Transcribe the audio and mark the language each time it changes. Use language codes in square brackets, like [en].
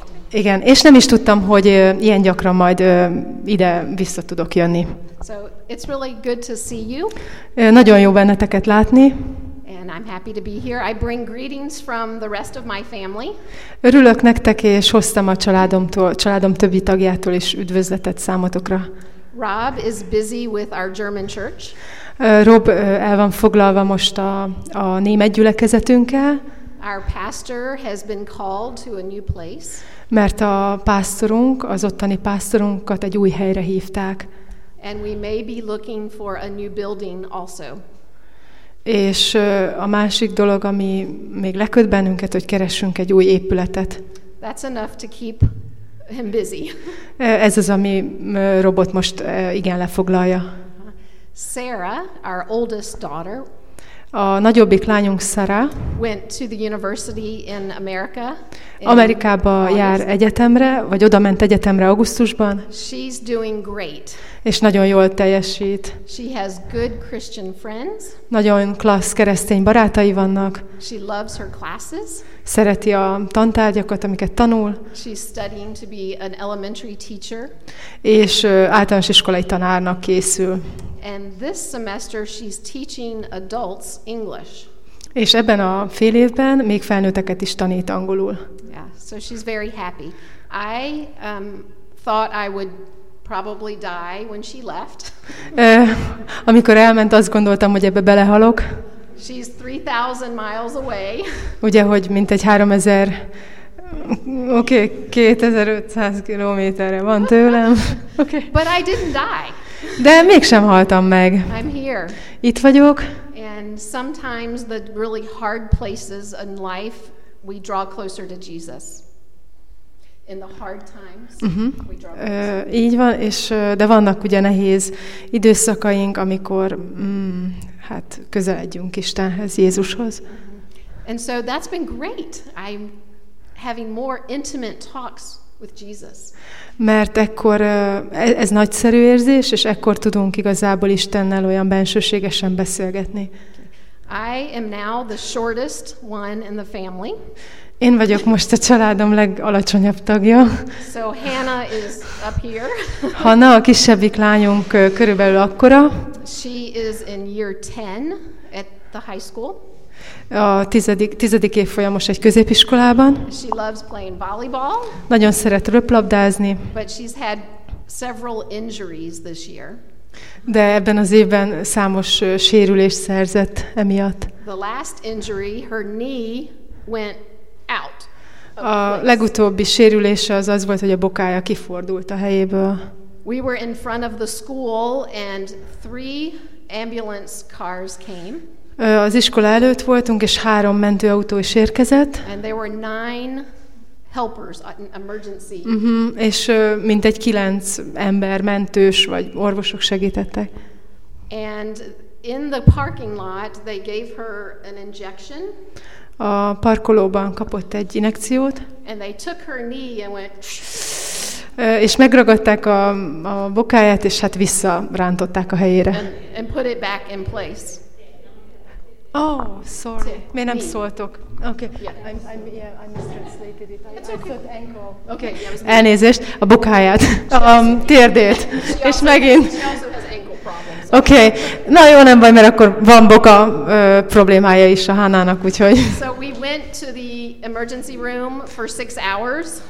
[hu] Igen, és nem is tudtam, hogy ilyen gyakran majd ide vissza tudok jönni. [en] So it's really good to see you. [hu] Nagyon jó benneteket látni. [en] And I'm happy to be here. I bring greetings from the rest of my family. [hu] Örülök nektek, és hoztam a családomtól, családom többi tagjától is üdvözletet számotokra. [en] Rob is busy with our German church. [hu] Rob el van foglalva most a német gyülekezetünkkel. [en] Our pastor has been called to a new place. [hu] Mert a pásztorunk, az ottani pásztorunkat egy új helyre hívták. [en] And we may be looking for a new building also. [hu] És a másik dolog, ami még leköt bennünket, hogy keressünk egy új épületet. [en] That's enough to keep him busy. [hu] Ez az, ami Robot most igen lefoglalja. [en] Sarah, our oldest daughter. [hu] A nagyobbik lányunk Sarah. [en] Went to the university in America. [hu] Amerikába jár egyetemre, vagy oda ment egyetemre augusztusban. [en] She's doing great. [hu] És nagyon jól teljesít. [en] She has good Christian friends. [hu] Nagyon klassz keresztény barátai vannak. [en] She loves her classes. [hu] Szereti a tantárgyakat, amiket tanul. [en] She's studying to be an elementary teacher. [hu] És általános iskolai tanárnak készül. [en] And this semester she's teaching adults English. [hu] És ebben a fél évben még felnőtteket is tanít angolul. [en] Yeah, so she's very happy. I thought I would probably die when she left. [hu] Amikor elment, azt gondoltam, hogy ebbe belehalok. [en] She's 3,000 miles away. [hu] Ugye, hogy mintegy 3,000, oké, 2,500 kilométerre van tőlem. [en] Okay. But I didn't die. [hu] De mégsem haltam meg. [en] I'm here. [hu] Itt vagyok. [en] And sometimes the really hard places in life, we draw closer to Jesus. In the hard times, we draw closer. [hu] Így van, és de vannak ugye nehéz időszakaink, amikor hát közeledjünk Istenhez, Jézushoz. [en] And so that's been great. I'm having more intimate talks with Jesus. [hu] Mert ekkor ez nagyszerű érzés, és ekkor tudunk igazából Istennel olyan bensőségesen beszélgetni. [en] I am now the shortest one in the family. [hu] Én vagyok most a családom legalacsonyabb tagja. [en] So Hannah is up here. [hu] Hannah, a kisebbik lányunk körülbelül akkora. [en] She is in year 10 at the high school. [hu] A tizedik évfolyamos egy középiskolában. [en] She loves playing volleyball. [hu] Nagyon szeret röplabdázni. [en] But she's had several injuries this year. [hu] De ebben az évben számos sérülést szerzett emiatt. [en] The last injury, her knee went out. [hu] A legutóbbi sérülése az volt, hogy a bokája kifordult a helyéből. [en] We were in front of the school and 3 ambulance cars came. [hu] Az iskola előtt voltunk, és 3 mentőautó is érkezett. [en] And there were 9 helpers, emergency. [hu] És mintegy 9 ember, mentős vagy orvosok segítettek. [en] And in the parking lot they gave her an injection. [hu] A parkolóban kapott egy injekciót. [en] And they took her knee and went. [hu] És megragadták a bokáját, és hát visszarántották a helyére. [en] And put it back in place. Oh, sorry. [hu] Miért nem szóltok? Okay. [en] I mistranslated it. Okay. [hu] Yeah, elnézést, a bukáját, a térdét, és megint. Okay. Na jó, nem baj, mert akkor van boka problémája is a Hannának, úgyhogy. [en] So we went to the emergency room for 6 hours.